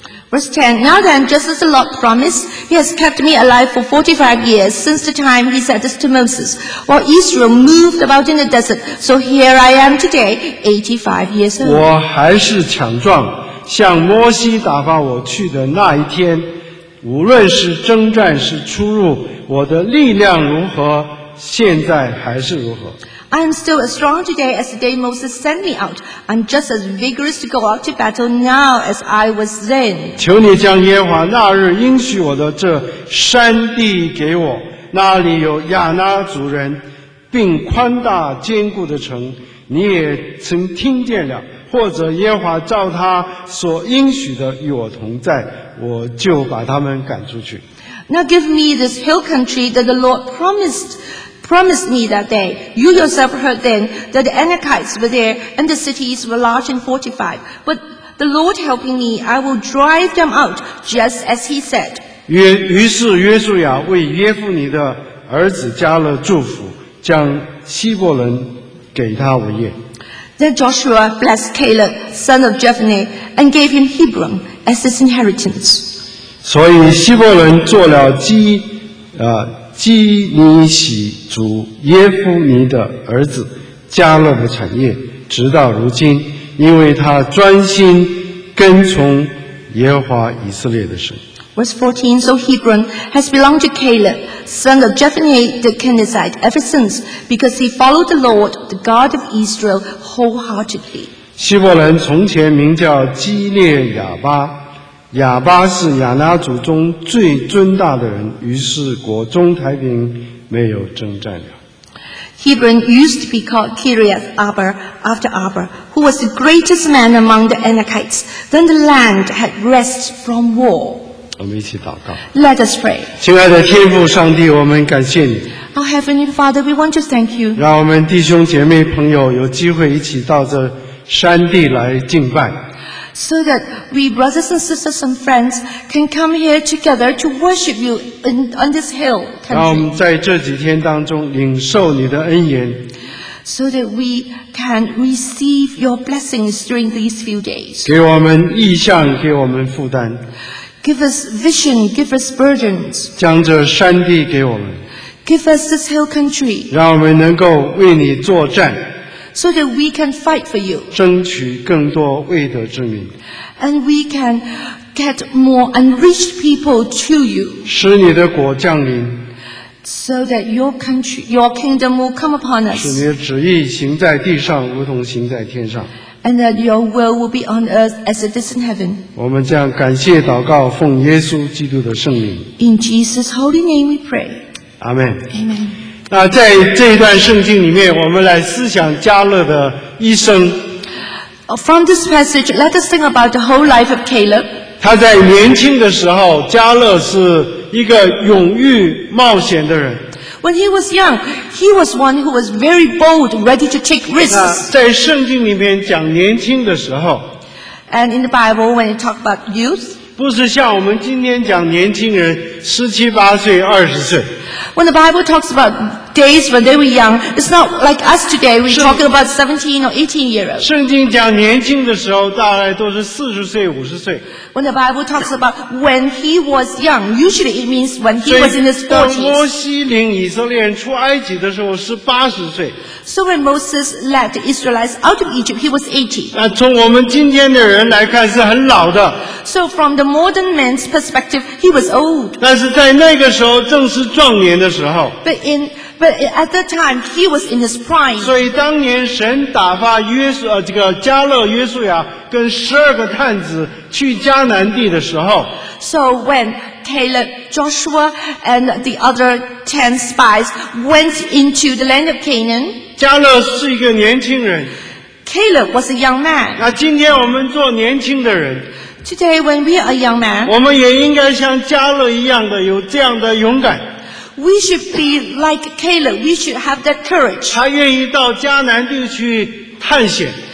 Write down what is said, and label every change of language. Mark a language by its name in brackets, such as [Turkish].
[English] Verse 10, Now then, just as the Lord promised, He has kept me alive for 45 years since the time He said this to Moses, while Israel moved about in the desert. So here I am today, 85 years old. [Chinese] 我还是强壮，像摩西打发我去的那一天，无论是征战是出入，我的力量如何，现在还是如何。 [English] I am still as strong today as the day Moses sent me out. I'm just as vigorous to go out to battle now as I was then. [Chinese] 求你将耶和华那日应许我的这山地给我，那里有亚拿族人，并宽大坚固的城，你也曾听见了。或者耶和华照他所应许的与我同在，我就把他们赶出去。 [English] Now give me this hill country that the Lord promised me that day. You yourself heard then that the Anakites were there and the cities were large and fortified. But the Lord helping me, I will drive them out just as he said. [Chinese] 于是约书亚为耶夫尼的儿子加勒祝福，将希伯伦给他为业。 [English] Then Joshua blessed Caleb, son of Jephunneh, and gave him Hebron as his inheritance. [Chinese] 所以希伯伦做了基尼喜族耶夫尼的儿子加勒的产业，直到如今，因为他专心跟从耶和华以色列的神。 [English] Verse 14, So Hebron has belonged to Caleb, son of Jephunneh the Kenizzite, ever since, because he followed the Lord, the God of Israel, wholeheartedly. [Chinese] 希伯伦从前名叫基列亚巴。亚巴是亚拿族中最尊大的人，于是国中太平，没有征战了。 [English] Hebron used to be called Kiriath Arba after Arba, who was the greatest man among the Anakites. Then the land had rest from war. [Chinese] 我们一起祷告。 [English] Let us pray. [Chinese] 亲爱的天父上帝，我们感谢你。 [English] Our Heavenly Father, we want to thank you. [Chinese] 让我们弟兄姐妹朋友有机会一起到这山地来敬拜。 [English] So that we brothers and sisters and friends can come here together to worship you in, on this hill country. [Chinese] 让我们在这几天当中领受你的恩言。 [English] So that we can receive your blessings during these few days. [Chinese] 给我们意象，给我们负担。 [English] Give us vision, give us burdens. [Chinese] 将这山地给我们。 [English] Give us this hill country. [Chinese] 让我们能够为你作战。 [English] So that we can fight for you. [Chinese] 争取更多为得之民。 [English] And we can get more unreached people to you. [Chinese] 使你的国降临。 [English] So that your country, your kingdom will come upon us. [Chinese] 使你的旨意行在地上，如同行在天上。 [English] And that your will be on earth as it is in heaven. [Chinese] 我们这样感谢祷告，奉耶稣基督的圣名。 [English] In Jesus' holy name we pray. Amen. Amen. [Chinese] 那在这一段圣经里面，我们来思想迦勒的一生。 [English] From this passage, let us think about the whole life of Caleb. [Chinese] 他在年轻的时候，迦勒是一个勇于冒险的人。 [English] When he was young, he was one who was very bold, ready to take risks. [Chinese] 在圣经里面讲年轻的时候。 [English] And in the Bible, when it talks about youth. [Chinese] 不是像我们今天讲年轻人，十七八岁，二十岁。 [English] When the Bible talks about days when they were young, it's not like us today, we're talking about 17 or 18 year olds. [Chinese] 圣经讲年轻的时候大概都是40岁50岁。 [English] When the Bible talks about when he was young, usually it means when he was in his 40s. [Chinese] 摩西领以色列人出埃及的时候是80岁。 [English] So when Moses led the Israelites out of Egypt, he was 80. [Chinese] 那从我们今天的人来看是很老的。 [English] So from the modern man's perspective, he was old. [Chinese] 但是在那个时候正是壮年的时候。 [English] But at that time, he was in his prime. [Chinese] 所以当年神打发约书这个迦勒约书亚跟十二个探子去迦南地的时候。 [English] So when Caleb, Joshua, and the other 10 spies went into the land of Canaan. [Chinese] 迦勒是一个年轻人。 [English] Caleb was a young man. [Chinese] 那今天我们做年轻的人。 [English] Today, when we are a young man. [Chinese] 我们也应该像迦勒一样的有这样的勇敢。 [English] We should be like Caleb. We should have that courage. [Chinese] 他愿意到迦南地去探险。